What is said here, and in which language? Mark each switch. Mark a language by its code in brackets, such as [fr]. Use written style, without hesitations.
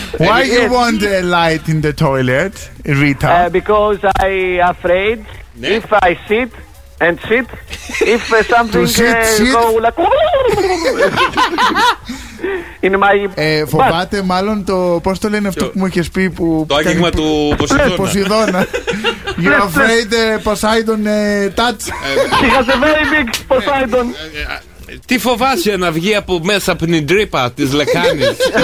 [en] Why you want a light in the toilet, Rita? Because I afraid if I sit. And sit if something go like in my [el] φοβάται μάλλον το πώς το λένε αυτό που μου είχες πει που το άγγιγμα του Ποσειδώνα. [en] You're afraid Poseidon touch. He has a very big Poseidon. [el] Τι φοβάσαι να βγει από μέσα από την τρύπα της λεκάνης.